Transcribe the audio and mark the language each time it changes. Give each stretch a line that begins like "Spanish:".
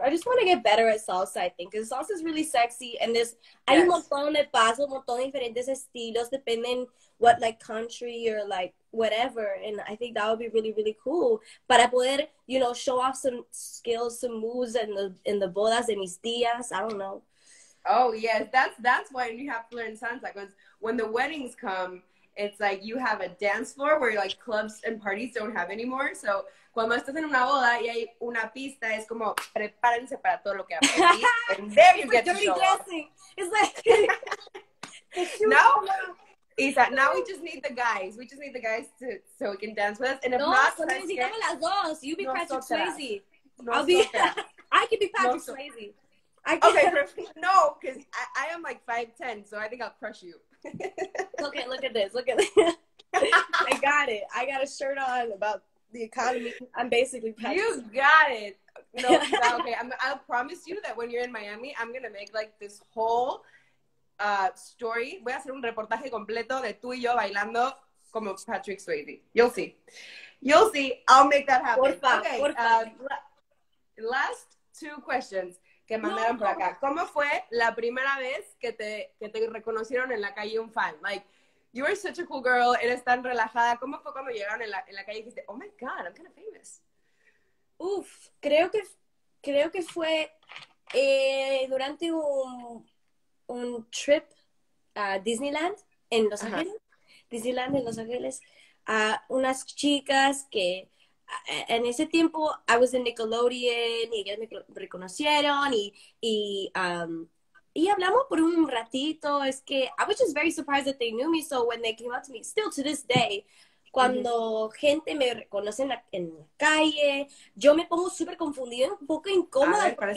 English: I just want to get better at salsa, I think, because salsa is really sexy, and there's,
Spanish: hay un montón de pasos, un montón de diferentes estilos,
English: depending what, like, country or, like, whatever, and I think that would be really, really cool,
Spanish: para poder,
English: you know, show off some skills, some moves in the
Spanish: bodas de mis tías,
English: I don't know. Oh, yes, that's why you have to learn salsa, because when the weddings come, it's like you have a dance floor where, like, clubs and parties don't have anymore, so...
Spanish: Cuando estás en una boda y hay una pista, es como, prepárense para todo lo que aprendí.
English: And there you get to show. It's like, now we just need the guys. We just need the guys so we can dance with us. And if no, not,
Spanish: no, necesitamos las dos.
English: You be no Patrick Sotera. Swayze. I can be Patrick no Swayze. No, because I am like 5'10", so I think I'll crush you. Okay, look at this. Look at this. I got it. I got a shirt on about... the economy. I'm basically packing. You got it. No, I'll promise you that when you're in Miami, I'm gonna make like this whole story.
Spanish: Voy a hacer un reportaje completo de tú y yo bailando como Patrick Swayze.
English: You'll see. I'll make that happen.
Spanish: Porfa, okay.
English: Last two questions
Spanish: que mandaron por acá. ¿Cómo fue la primera vez que te reconocieron en la calle un fan?
English: Like, you are such a cool girl.
Spanish: Eres tan relajada. ¿Cómo fue cuando llegaron en la calle y dijiste,
English: oh my God, I'm kind of famous?
Spanish: Uf, creo que fue durante un trip a Disneyland en Los Ángeles. Disneyland en Los Ángeles. Unas chicas que en ese tiempo,
English: I was in Nickelodeon
Spanish: y ellas me reconocieron y hablamos por un ratito, es que
English: I was just very surprised that they knew me, so when they came up to me, still to this day,
Spanish: cuando gente me reconoce en la calle, yo me pongo súper confundida, un poco incómoda,